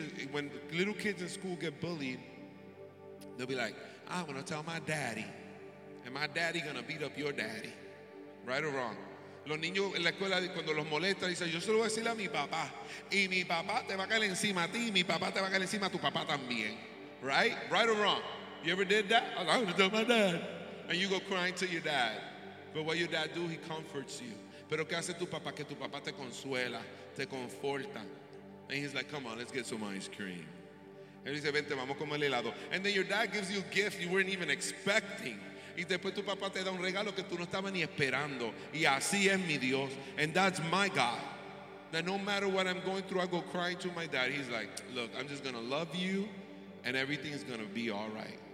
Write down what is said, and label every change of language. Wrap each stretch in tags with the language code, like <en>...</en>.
<en>When little kids in school get bullied, they'll be like, I'm going to tell my daddy. And my daddy going to beat up your daddy. Right or wrong?</en> <es>Los niños en la escuela, cuando los molestan, dicen, yo se lo voy a decir a mi papá. Y mi papá te va a caer encima a ti. Y mi papá te va a caer encima a tu papá también.</es> <en>Right? Right or wrong? You ever did that? I'm going to tell my dad. And you go crying to your dad. But what your dad do, he comforts you.</en> <es>Pero ¿qué hace tu papá? Que tu papá te consuela, te conforta.</es> <en>And he's like, come on, let's get some ice cream.</en> <es>Él dice, vente, vamos a comer helado.</es> <en>And then your dad gives you a gift you weren't even expecting.</en> <es>Y después tu papá te da un regalo que tú no estabas ni esperando. Y así es mi Dios.</es> <en>And that's my God. That no matter what I'm going through, I go crying to my dad. He's like, look, I'm just going to love you. And everything is going to be all right.</en>